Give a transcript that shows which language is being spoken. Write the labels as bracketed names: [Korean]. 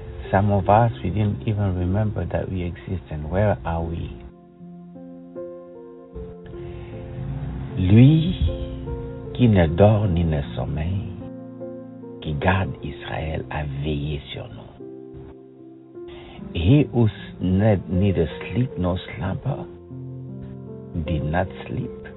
[English] Some of us, we didn't even remember that we exist, and where are we? [French] Lui qui ne dort ni ne sommeille, qui garde Israël, a veillé sur nous. [English] He who neither sleep nor slumber, did not sleep.